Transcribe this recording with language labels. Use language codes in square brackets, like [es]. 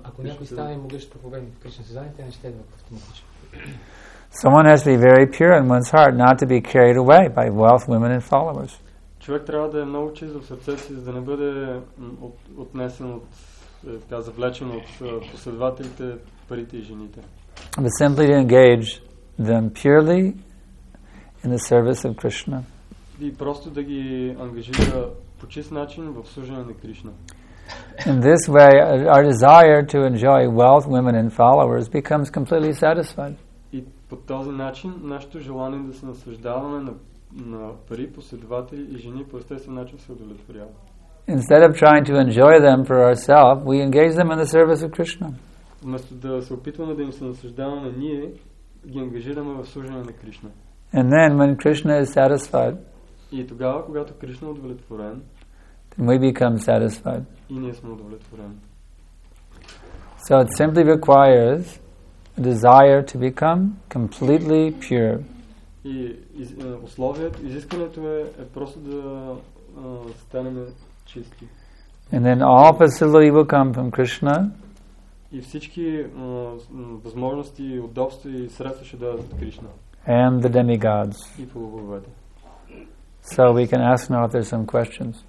[bg] Ако някой стане могъщ проповедник в Кришна съзнание, тези неща идват автоматично. [en] Someone has to be very pure in one's heart not to be carried away by wealth, women and followers. [bg] Човек трябва да е много чист в сърцето си, за да не бъде отнесен от, така, завлечен от последователите, парите и жените. [en] But simply to engage them purely in the service of Krishna. [bg] И просто да ги ангажира по чист начин в служение на Кришна. [en] In this way, our desire to enjoy wealth, women and followers becomes completely satisfied. [bg] И По този начин нашето желание да се наслаждаваме на пари, последователи и жени по естествен начин се удовлетворява. [en] Instead of trying to enjoy them for ourselves, we engage them in the service of Krishna. [bg] Вместо да се опитваме да им се наслаждаваме ние, ги ангажираме в служение на Кришна. [en] And then when Krishna is satisfied, [bg] и тогава когато Кришна е удовлетворен, [en] then we become satisfied. [bg] И ние сме удовлетворени. [en] So it simply requires a desire to become completely pure. [bg] И условието, изискването е просто да станем чисти. [en] And then all facility will come from Krishna. [bg] И всички възможности, удобства и средства ще дадат от Кришна. [en] And the demigods. [bg] И полубоговете. [en] So we can ask now if there's some questions.